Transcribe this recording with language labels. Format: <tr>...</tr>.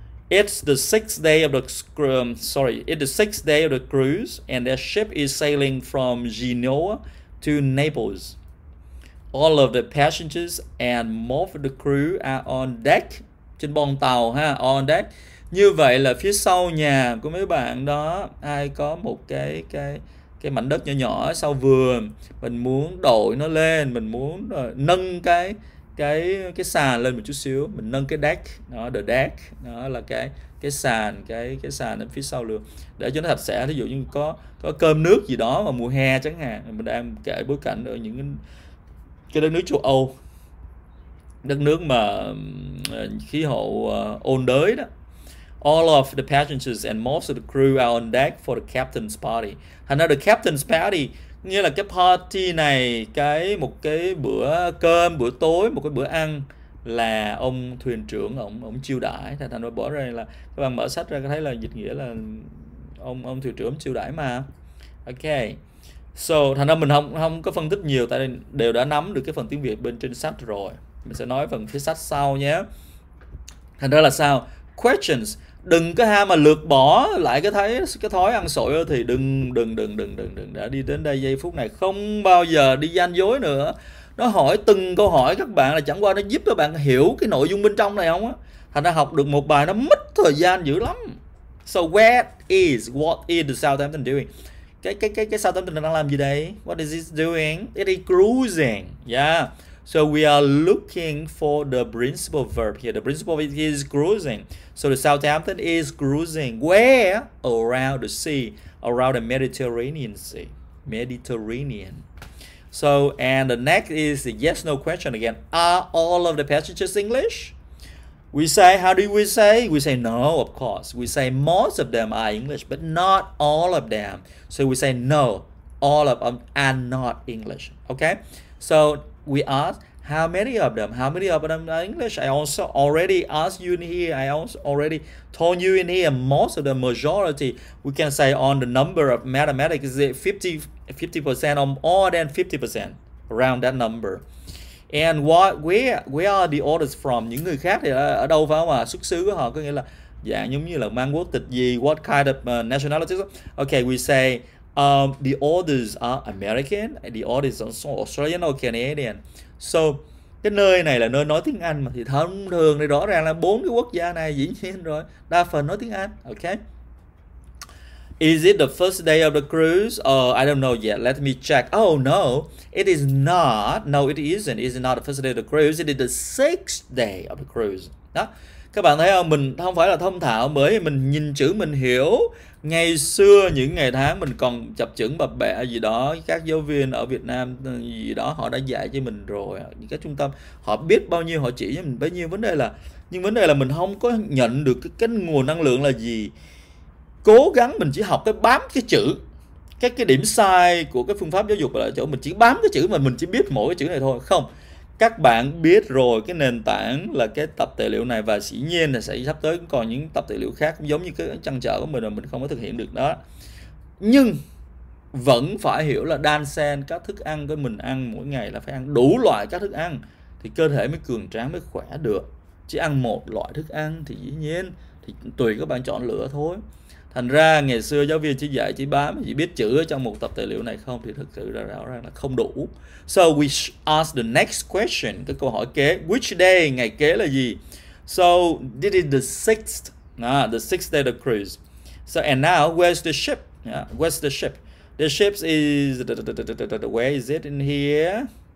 <en>It's the sixth day of the cruise and their ship is sailing from Genoa to Naples. All of the passengers and most of the crew are on deck.</en> <vi>Trên boong tàu ha,</vi> <en>on deck.</en> <vi>Như vậy là phía sau nhà của mấy bạn đó, ai có một cái mảnh đất nhỏ nhỏ sau vườn, mình muốn đội nó lên, mình muốn nâng cái sàn lên một chút xíu, mình nâng cái deck, đó,</vi> <en>the deck,</en> <vi>đó là cái sàn, cái sàn ở phía sau lưng để cho nó sạch sẽ. Ví dụ như có cơm nước gì đó mà mùa hè chẳng hạn, mình đang kể bối cảnh ở những cái đất nước châu Âu, đất nước mà khí hậu ôn đới đó.</vi> <en>All of the passengers and most of the crew are on deck for the captain's party.</en> <vi>Thành ra</vi> <en>the captain's party</en> <vi>nghĩa là cái party này, cái một cái bữa cơm, bữa tối, một cái bữa ăn là ông thuyền trưởng ông chiêu đãi. Thành ra bỏ ra là các bạn mở sách ra thấy là dịch nghĩa là ông thuyền trưởng chiêu đãi mà. Okay. So thành ra mình không không có phân tích nhiều tại vì đều đã nắm được cái phần tiếng Việt bên trên sách rồi. Mình sẽ nói phần phía sách sau nhé. Thành ra là sao? Questions đừng có ham mà lược bỏ lại cái thấy cái thói ăn xổi thì đừng đừng đừng đừng đừng đừng đã đi đến đây giây phút này không bao giờ đi gian dối nữa. Nó hỏi từng câu hỏi các bạn là chẳng qua nó giúp các bạn hiểu cái nội dung bên trong này không á. Thành ra học được một bài nó mất thời gian dữ lắm.</vi> <en>So where is what is the Southampton doing?</en> <vi>Cái Southampton đang làm gì đây?</vi> <en>What is it doing? It is cruising. Yeah. So we are looking for the principal verb here. The principal verb is cruising. So the Southampton is cruising. Where? Around the sea. Around the Mediterranean Sea. Mediterranean. So, and the next is the yes no question again. Are all of the passengers English? We say, how do we say? We say no, of course. We say most of them are English, but not all of them. So we say no, all of them are not English. Okay? So we ask how many of them? How many of them are English? I also already asked you in here. I also already told you in here. Most of the majority, we can say on the number of mathematics is it 50% or more than 50% around that number. And what? Where are the others from?</en> <vi>Những người khác thì ở đâu phải không ạ? À? Xuất xứ của họ có nghĩa là dạng giống như là mang quốc tịch gì?</vi> <en>What kind of nationalities? Okay, we say. The others are American, the others are Australian or Canadian.</en> <vi>So, cái nơi này là nơi nói tiếng Anh mà thì thông thường thì rõ ràng là bốn cái quốc gia này dĩ nhiên rồi, đa phần nói tiếng Anh.</vi> <en>Okay. Is it the first day of the cruise? Oh, I don't know yet. Let me check. Oh, no. It is not. No, it isn't. It is not the first day of the cruise. It is the sixth day of the cruise.</en> <vi>Đó. Các bạn thấy không? Mình không phải là thông thạo bởi vì mình nhìn chữ mình hiểu. Ngày xưa những ngày tháng mình còn chập chững bập bẹ gì đó, các giáo viên ở Việt Nam gì đó họ đã dạy cho mình rồi, các trung tâm họ biết bao nhiêu, họ chỉ cho mình bấy nhiêu. Vấn đề là mình không có nhận được cái nguồn năng lượng là gì, cố gắng mình chỉ học cái bám cái chữ. Cái điểm sai của cái phương pháp giáo dục là chỗ mình chỉ bám cái chữ mà mình chỉ biết mỗi cái chữ này thôi. Không, các bạn biết rồi, cái nền tảng là cái tập tài liệu này, và dĩ nhiên là sẽ sắp tới cũng còn những tập tài liệu khác cũng giống như cái trăn trở của mình là mình không có thực hiện được đó. Nhưng vẫn phải hiểu là đan xen các thức ăn với mình ăn mỗi ngày là phải ăn đủ loại các thức ăn thì cơ thể mới cường tráng mới khỏe được. Chỉ ăn một loại thức ăn thì dĩ nhiên thì tùy các bạn chọn lựa thôi. Thành ra ngày xưa giáo viên chỉ dạy chỉ bám chỉ biết chữ ở trong một tập tài liệu này không thì thực sự là rõ ràng là không đủ.</vi> <en>So we ask the next question,</en> <vi>cái câu hỏi kế,</vi> <en>which day,</en> <vi>ngày kế là gì?</vi> <en>So this is the sixth day of cruise. So and now where's the ship? Where's the ship? The ship is where is it in here?</en>